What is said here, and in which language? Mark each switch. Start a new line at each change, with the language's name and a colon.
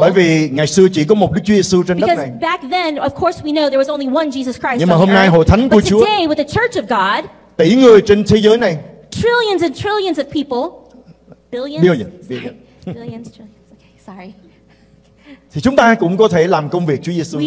Vietnamese: Bởi vì ngày xưa chỉ có một Đức Chúa Giêsu trên đất này.
English: Because back then, of course we know there was only one Jesus Christ.
Vietnamese: Nhưng mà hôm nay hội thánh của Chúa.
English: But today, with the church of God.
Vietnamese: Tỷ người trên thế giới này.
English: Trillions and trillions of people. Billions. Okay, sorry.
Vietnamese: Thì chúng ta cũng có thể làm công việc Chúa Giêsu